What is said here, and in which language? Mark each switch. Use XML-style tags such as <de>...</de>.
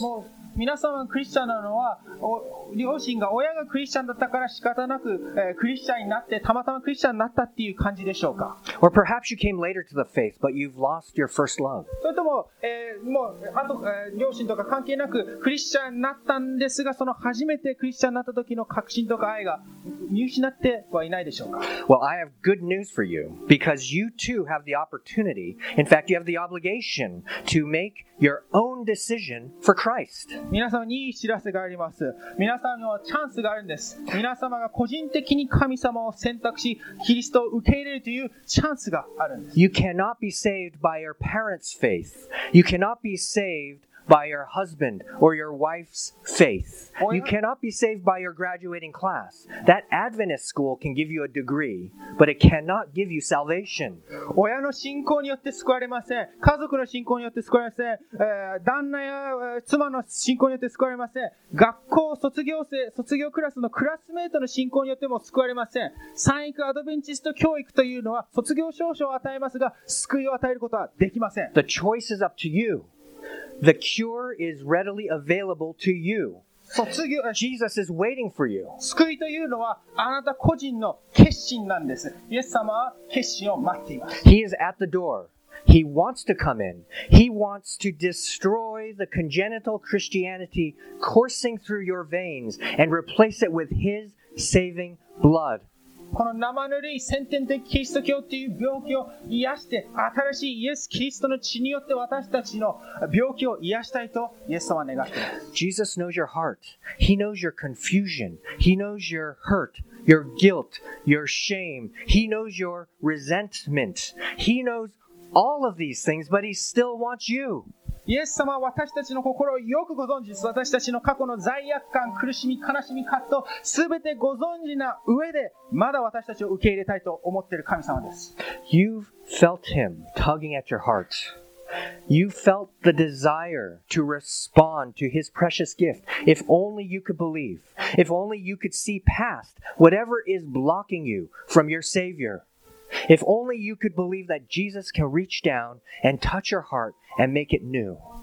<ja>もう皆様がクリスチャンなのは両親が親がクリスチャンだったから仕方なく、クリスチャンになってたまたまクリスチャンになったっていう感じでしょうか?</ja> <en>Or perhaps you came later to the faith, but you've lost your first love.</en> <ja>それとも、もうあと、両親とか関係なくクリスチャンになったんですが、その初めてクリスチャンになった時の確信とか愛が見失ってはいないでしょうか?</ja> <en>Well, I have good news for you, because you too have the opportunity, in fact, you have the obligation to make your own decision for Christ.</en> <ja>皆様にいい知らせがあります。皆様にはチャンスがあるんです。皆様が個人的に神様を選択し、キリストを受け入れるというチャンスがあるんです。</ja> <en>You cannot be saved by your parents' faith. You cannot be savedby your husband or your wife's faith. You cannot be saved by your graduating class. That Adventist school can give you a degree, but it cannot give you salvation.</en> <ja>親の信仰によって救われません。家族の信仰によって救われません。旦那や妻の信仰によって救われません。学校卒業クラスのクラスメートの信仰によっても救われません。三育アドベンチスト教育というのは卒業証書を与えますが、救いを与えることはできません。</ja> <en>The choice is up to you. The cure is readily available to you. Jesus is waiting for you.</en> <ja>救いというのはあなた個人の決心なんです。イエス様は決心を待っています。</ja> <en>He is at the door. He wants to come in. He wants to destroy the congenital Christianity coursing through your veins and replace it with His saving blood.</en> <ja>この生ぬるい先天的キリスト教という病気を癒して新しいイエス・キリストの血によって私たちの病気を癒したいとイエス様は願っています。</ja> <en>Jesus knows your heart. He knows your confusion. He knows your hurt, your guilt, your shame. He knows your resentment. He knows all of these things, but He still wants you.</en> <ja>イエス様は私たちの心をよくご存知です。私たちの過去の罪悪感、苦しみ、悲しみ、葛藤、すべてご存知な上で、まだ私たちを受け入れたいと思っている神様です。</ja> <en>You've felt Him tugging at your heart. You felt the desire to respond to His precious gift. If only you could believe. If only you could see past whatever is blocking you from your Savior. If only you could believe that Jesus can reach down and touch your heart and make it new.</en>